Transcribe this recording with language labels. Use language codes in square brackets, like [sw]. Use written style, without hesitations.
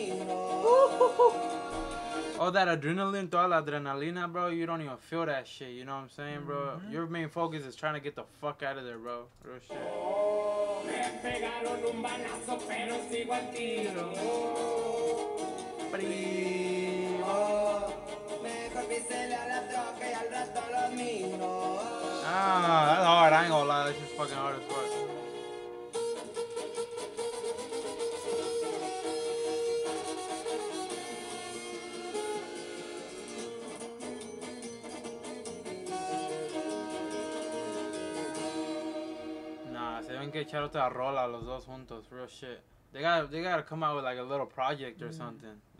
[en] All that adrenaline, [es] toda la adrenalina, [en] bro, you don't even feel that shit, you know what I'm saying, bro? Mm-hmm. Your main focus is trying to get the fuck out of there, bro. Real shit. [es] Me pegaron un balazo, pero sigo al tiro. Primo. Mejor pisele a la troca y al rato lo miro. [en] Ah, that's hard, I ain't gonna lie, that's just fucking hard as fuck. [es] Que echar otra rola los dos juntos, [en] real shit. They gotta come out with like a little project or something.